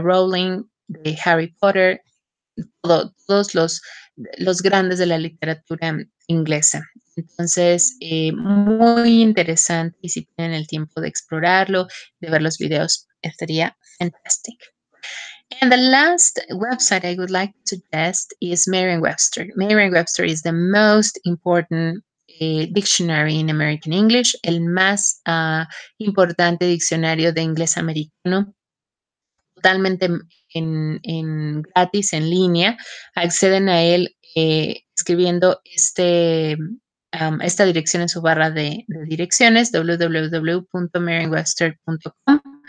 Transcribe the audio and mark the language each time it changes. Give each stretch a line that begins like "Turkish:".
Spanish: Rowling, de Harry Potter, todos los grandes de la literatura inglesa. Entonces, muy interesante, y si tienen el tiempo de explorarlo, de ver los videos, estaría fantastic.
English: And the last website I would like to suggest is Merriam-Webster. Merriam-Webster is the most important dictionary in American English,
Spanish: el más importante diccionario de inglés americano, totalmente en gratis, en línea. Acceden a él escribiendo esta dirección en su barra de direcciones, www.merriam-webster.com.